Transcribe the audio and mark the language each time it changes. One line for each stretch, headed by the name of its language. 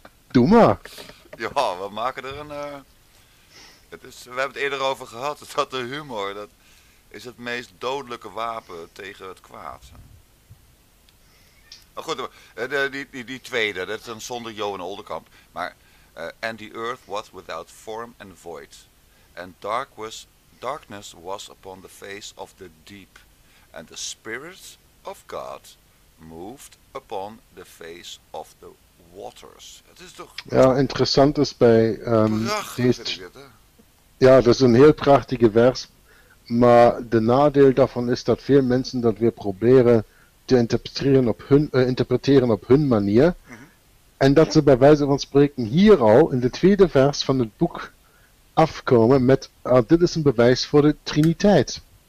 Dutch: Doe maar. Ja, we maken er een... we hebben het eerder over gehad. Dat de humor, dat is het meest dodelijke wapen tegen het kwaad. Maar goed, die tweede, dat is dan zonder Johan Oldenkamp.
English: Maar, and the earth was without form and void. And darkness was upon the face of the deep. And the spirit of God moved upon the face of the waters.
Dutch: Het is toch... Ja, interessant is bij... Prachtig. Dat is een heel prachtige vers. Maar de nadeel daarvan is dat veel mensen dat weer proberen te interpreteren op hun manier. En dat ze bij wijze van spreken hier al in de tweede vers van het boek afkomen met dit is een bewijs voor de Triniteit.